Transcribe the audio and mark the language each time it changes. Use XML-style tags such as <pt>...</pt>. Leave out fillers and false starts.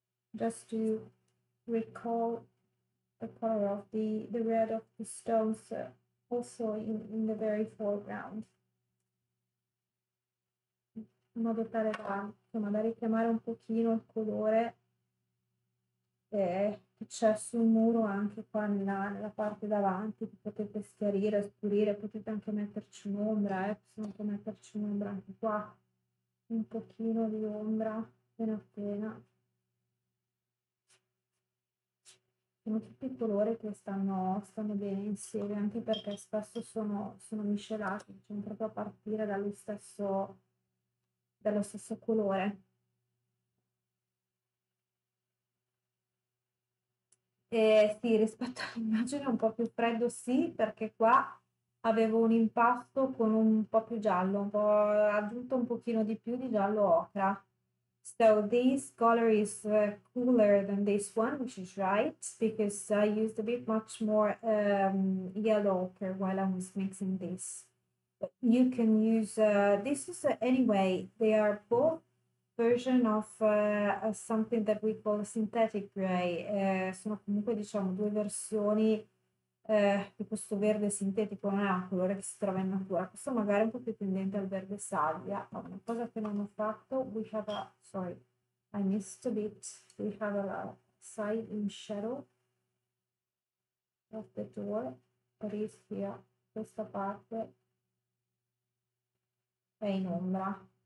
<en>Just to recall the color of the red of the stones also in the very foreground.</en> <it>In modo tale da, insomma, da richiamare un pochino il colore c'è sul muro anche qua nella parte davanti che potete schiarire, scurire, potete anche metterci un'ombra, se non può metterci un'ombra anche qua, un pochino di ombra, appena appena. Sono tutti i colori che stanno bene insieme, anche perché spesso sono miscelati, diciamo, proprio a partire dallo stesso colore. Sì, rispetto all'immagine un po' più freddo, sì, perché qua avevo un impasto con un po' più giallo, ho aggiunto un pochino di più di giallo ocra.</it> <en>So this color is cooler than this one, which is right, because I used a bit much more yellow ochre while I was mixing this. But you can use, this is anyway, they are both version of something that we call synthetic gray.</en> <it>Sono comunque, diciamo, due versioni di questo verde sintetico, non è un colore che si trova in natura. Questo magari è un po' più tendente al verde salvia.</it> <en>Ma una cosa che non ho fatto, we have a, sorry, I missed a bit, we have a side in shadow of the door, that is here, questa parte è in ombra.</en>